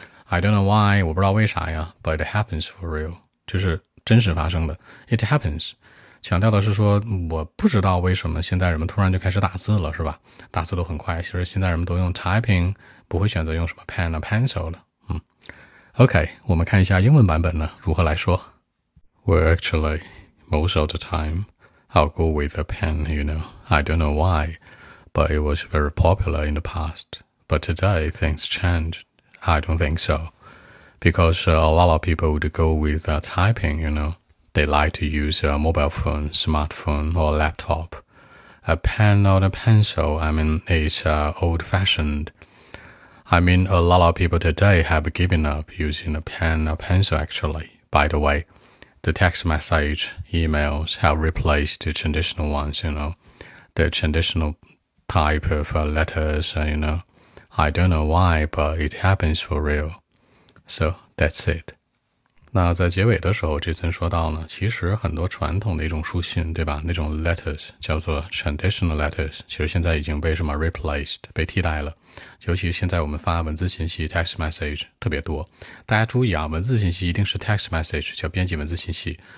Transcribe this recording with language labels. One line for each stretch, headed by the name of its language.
English: I don't know why，
Chinese: 我不知道为啥呀，
English: but it happens for real，
Chinese: 就是真实发生的，
English: it happens，
Chinese: 强调的是说我不知道为什么现在人们突然就开始打字了是吧，打字都很快，其实现在人们都用 typing， 不会选择用什么
English: pen or pencil
Chinese: 了。 OK， 我们看一下英文版本呢如何来说。
English: Well, actually, most of the time, I'll go with a pen, you know. I don't know why, but it was very popular in the past. But today, things changed. I don't think so. Because a lot of people would go with typing, you know. They like to use a mobile phone, smartphone, or laptop. A pen or a pencil, I mean, is old-fashioned. I mean, a lot of people today have given up using a pen or pencil, actually, by the way. The text message, emails have replaced the traditional ones, you know, the traditional type of letters, you know. I don't know why, but it happens for real. So that's it.
Chinese: 那在结尾的时候，这次说到呢，其实很多传统的一种书信，对吧？那种 letters 叫做
English: traditional letters，
Chinese: 其实现在已经被什么 replaced 被替代了。尤其现在我们发文字信息 text message 特别多，大家注意啊，文字信息一定是 text message， 叫编辑文字信息。